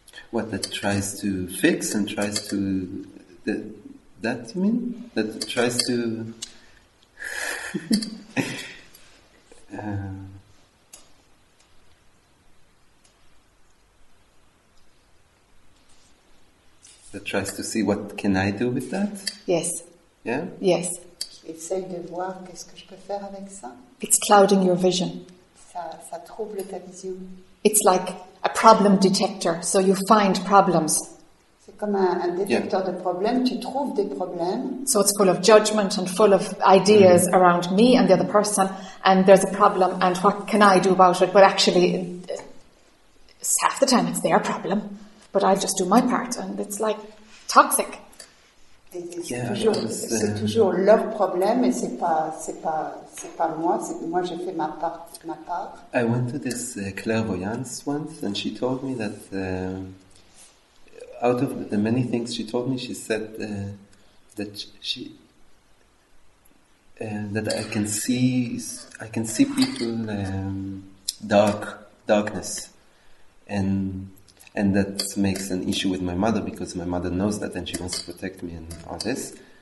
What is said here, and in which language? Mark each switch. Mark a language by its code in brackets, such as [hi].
[en] what that tries to fix and tries to that you mean that tries to that tries to see what can I do with that? Yes. Yeah? Yes. [fr] Essaye de voir qu'est-ce que je peux faire avec ça. [en] It's clouding your vision. [fr] Ça trouble ta vision. [en] It's like a problem detector, so you find problems. [fr] C'est comme un détecteur de problèmes, tu trouves des problèmes. [en] So it's full of judgment and full of ideas around me and the other person, and there's a problem, and what can I do about it? But actually, half the time it's their problem, but I just do my part, and it's like toxic. [fr] C'est toujours leur problème et c'est pas moi. Moi, je fais ma part. [en] I went to this clairvoyance once, and she told me that out of the many things she told me, she said that I can see people darkness, and that makes an issue with my mother, because my mother knows that and she wants to protect me and all this.